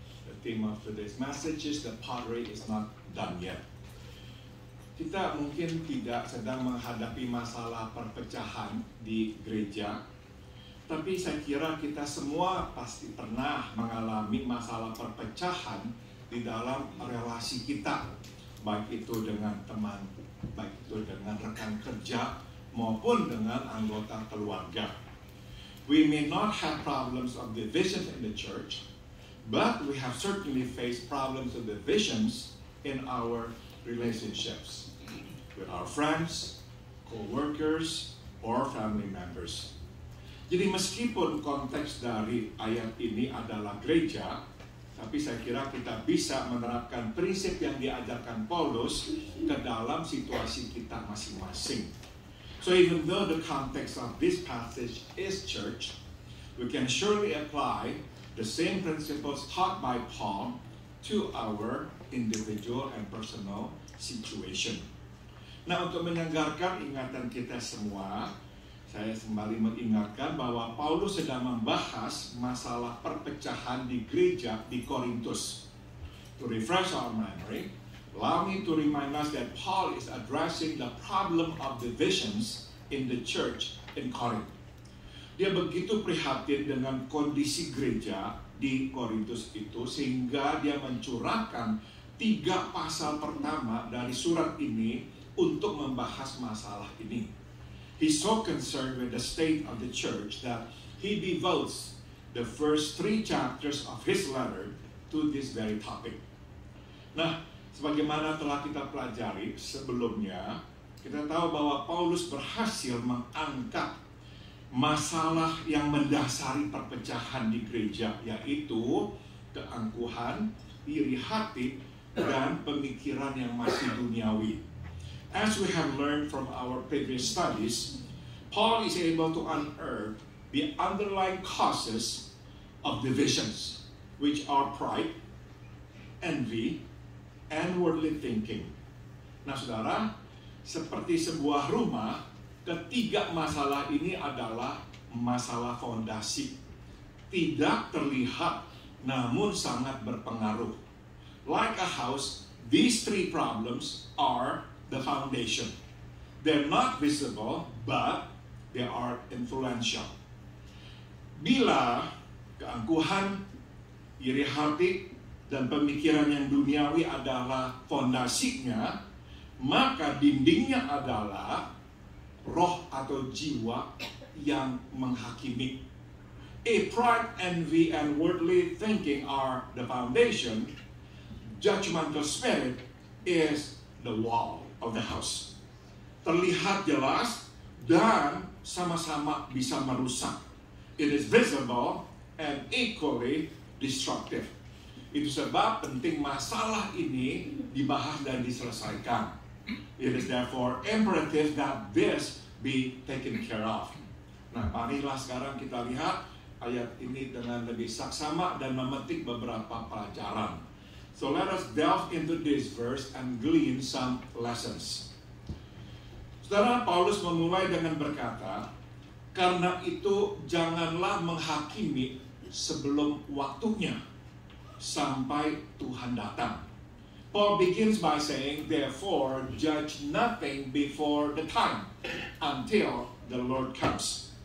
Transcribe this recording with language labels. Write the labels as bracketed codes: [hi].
[en] The theme of today's message is the pottery is not done yet. [id] Kita mungkin tidak sedang menghadapi masalah perpecahan di gereja, tapi saya kira kita semua pasti pernah mengalami masalah perpecahan di dalam relasi kita, baik itu dengan teman, baik itu dengan rekan kerja, maupun dengan anggota keluarga. [en] We may not have problems of divisions in the church, but we have certainly faced problems of divisions in our relationships with our friends, co-workers, or family members. [id] Jadi meskipun konteks dari ayat ini adalah gereja, tapi saya kira kita bisa menerapkan prinsip yang diajarkan Paulus ke dalam situasi kita masing-masing. [en] So even though the context of this passage is church, we can surely apply the same principles taught by Paul to our individual and personal situation. [id] Nah, untuk menyegarkan ingatan kita semua, saya kembali mengingatkan bahwa Paulus sedang membahas masalah perpecahan di gereja di Korintus. [en] To refresh our memory, allow me to remind us that Paul is addressing the problem of divisions in the church in Corinth. [id] Dia begitu prihatin dengan kondisi gereja di Korintus itu sehingga dia mencurahkan 3 pasal pertama dari surat ini untuk membahas masalah ini. [en] He's so concerned with the state of the church that he devotes the first 3 chapters of his letter to this very topic. [id] Nah, sebagaimana telah kita pelajari sebelumnya, kita tahu bahwa Paulus berhasil mengangkat masalah yang mendasari perpecahan di gereja, yaitu keangkuhan, iri hati, dan pemikiran yang masih duniawi. [en] As we have learned from our previous studies, Paul is able to unearth the underlying causes of divisions, which are pride, envy, and worldly thinking. [id] Nah, saudara, seperti sebuah rumah, ketiga masalah ini adalah masalah fondasi. Tidak terlihat, namun sangat berpengaruh. [en] Like a house, these 3 problems are the foundation. They're not visible, but they are influential. [id] Bila keangkuhan, iri hati, dan pemikiran yang duniawi adalah fondasinya, maka dindingnya adalah roh atau jiwa yang menghakimi. [en] A pride, envy, and worldly thinking are the foundation. Judgmental spirit is the wall of the house. [id] Terlihat jelas dan sama-sama bisa merusak. [en] It is visible and equally destructive. [id] Itu sebab penting masalah ini dibahas dan diselesaikan. [en] It is therefore imperative that this be taken care of. [id] Nah, marilah sekarang kita lihat ayat ini dengan lebih saksama dan memetik beberapa pelajaran. [en] So let us delve into this verse and glean some lessons. [id] Saudara, Paulus memulai dengan berkata, karena itu janganlah menghakimi sebelum waktunya, sampai Tuhan datang. [en] Paul begins by saying, therefore judge nothing before the time, until the Lord comes.